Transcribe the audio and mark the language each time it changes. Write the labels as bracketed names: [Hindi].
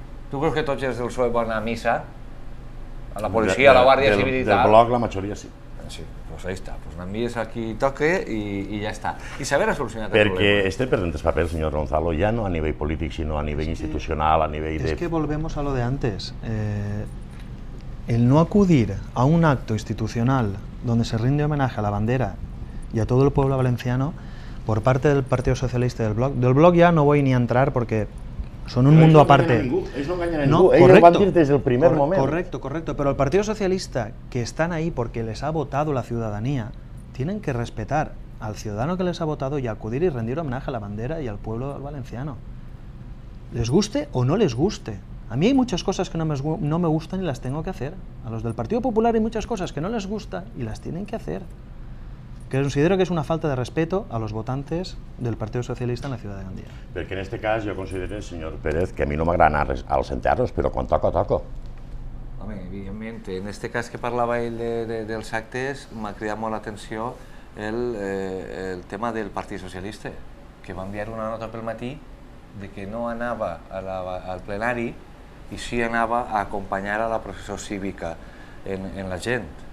[Catalan] Tu creus que tots els del PSOE van a missa? A la policia, a la Guàrdia Civil i tal? Del bloc la majoria sí. Sí, doncs ahí està. Doncs n'envies a qui toque i ja està. I saber solucionar el problema. Perquè estem perdent els papers, senyor Gonzalo, ja no a nivell polític, sinó a nivell institucional, a nivell de... [Spanish] És que volvemos a lo de antes. El no acudir a un acto institucional donde se rinde homenaje a la bandera y a todo el pueblo valenciano por parte del Partido Socialista del Bloc... Del Bloc ya no voy ni a entrar porque... [Catalan] Són un món apart. Ells no enganyen a ningú, ells ho van dir des del primer moment. Correcte, però el Partit Socialista, que estan ahí perquè les ha votat la ciutadania, [Spanish] tienen que respetar al ciudadano [Catalan] que les ha votat i acudir i rendir homenatge a la bandera i [Spanish] al pueblo valenciano. Les guste o no les guste. A mi hay muchas cosas que no me gustan y las tengo que hacer. A los del Partido Popular hay muchas cosas que no les gusta y las tienen que hacer. Que considero que és una falta de respeto a los votantes del Partido Socialista en la ciudad de Gandia. [Catalan] Perquè en este cas jo considero, senyor Pérez, que a mi no m'agrada anar als sentar-los, però quan toco, toco. Home, evidentment, en este cas que parlava ell dels actes, m'ha cridat molt l'atenció el tema del Partit Socialista, que va enviar una nota pel matí que no anava al plenari i sí anava a acompanyar la processó cívica en la gent.